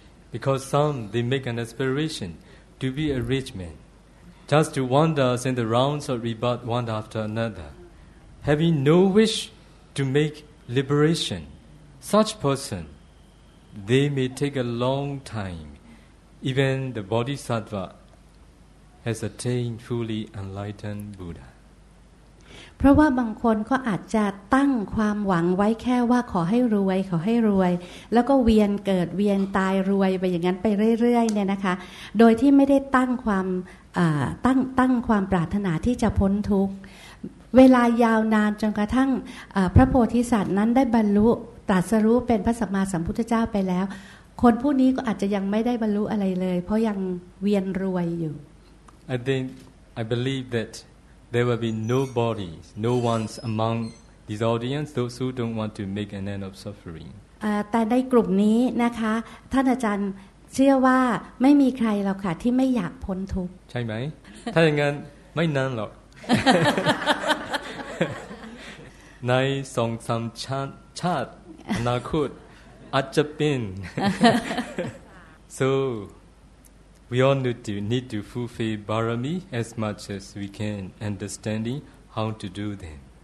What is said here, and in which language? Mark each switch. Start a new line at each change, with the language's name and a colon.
English: Because some, they make an aspiration to be a rich man, just to wander in the rounds of rebirth one after another, having no wish to make liberation. Such person, they may take a long time, even the bodhisattva has attained fully enlightened Buddha.
Thai: เพราะว่าบางคนก็อาจจะตั้งความหวังไว้แค่ว่าขอให้รวยขอให้รวยแล้วก็เวียนเกิดเวียนตายรวยไปอย่างนั้นไปเรื่อยๆเนี่ยนะคะโดยที่ไม่ได้ตั้งความตั้งความปรารถนาที่จะพ้นทุกข์เวลายาวนานจนกระทั่งพระโพธิสัตว์นั้นได้บรรลุตรัสรู้เป็นพระสัมมาสัมพุทธเจ้าไปแล้วคนผู้นี้ก็อาจจะยังไม่ได้บรรลุอะไรเลยเพราะยังเวียนรวยอยู่
English: I believe thatThere will be nobody, no ones among these audience, those who don't want to make an end of suffering.
Thai: แต่ในกลุ่มนี้นะคะท่านอาจารย์เชื่อว่าไม่มีใครหรอกค่ะที่ไม่อยากพ้นทุกข์ ใช่ไหมถ้าอย่างนั้นไม่นานหรอกในสองสามชาติอนาคตอาจจะเป็น
English: SoWe all need to fulfill barami as much as we can, understanding how to do them.